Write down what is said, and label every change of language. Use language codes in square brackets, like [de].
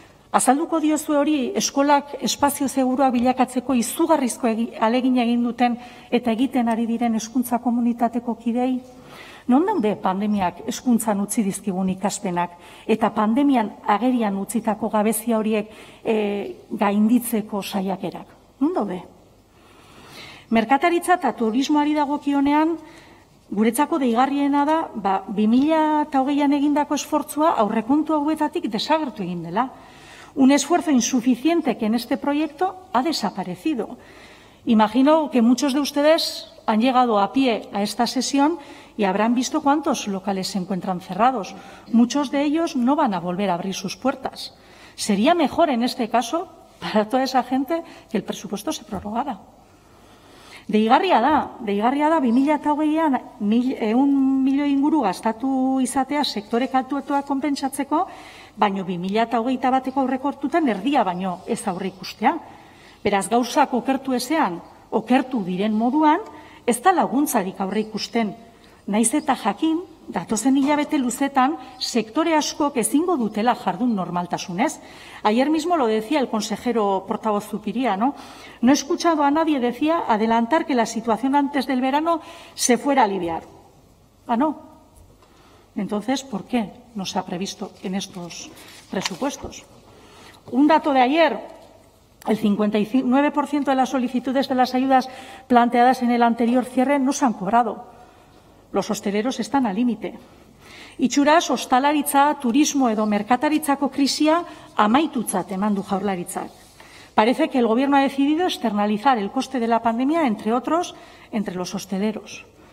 [eu] Azalduko diozu hori, eskolak espazio segurua bilakatzeko izugarrizko alegin egin duten eta egiten ari diren hezkuntza komunitateko kidei, non daude pandemiak hezkuntzan utzi dizkigun ikaspenak eta pandemian agerian utzitako gabezia horiek gainditzeko saiakerak? Non daude? Merkataritza eta turismoari dagokionean, guretzako deigarriena da, 2020an egindako esfortzua aurrekontu hauetatik desagertu egin dela. [es] Un esfuerzo insuficiente que en este proyecto ha desaparecido. Imagino que muchos de ustedes han llegado a pie a esta sesión y habrán visto cuántos locales se encuentran cerrados. Muchos de ellos no van a volver a abrir sus puertas. Sería mejor en este caso para toda esa gente que el presupuesto se prorrogara. [eu] Deigarria da, 2020an 100 milioi inguru gastatu izatea sektore kaltuetua konpentsatzeko, baino 2021ko aurrekontuetan erdia baino ez aurreikustea. Beraz, gauzak okertu ezean, okertu diren moduan, ez da laguntzarik aurreikusten. Naiz eta jakin, datozen hilabete luzetan, sektore askok ezingo dutela jardun normaltasunez. [es] Ayer mismo lo decía el consejero portavoz Zupiria, ¿no? No he escuchado a nadie, decía, adelantar que la situación antes del verano se fuera a aliviar. ¿Ah, no? Entonces, ¿por qué no se ha previsto en estos presupuestos? Un dato de ayer, el 59% de las solicitudes de las ayudas planteadas en el anterior cierre no se han cobrado. Los hosteleros están al límite. [eu] Itxuraz, hostalaritza, turismo edo merkataritzako krisia amaitutzat eman du Jaurlaritzak. [es] Parece que el gobierno ha decidido externalizar el coste de la pandemia, entre otros, entre los hosteleros.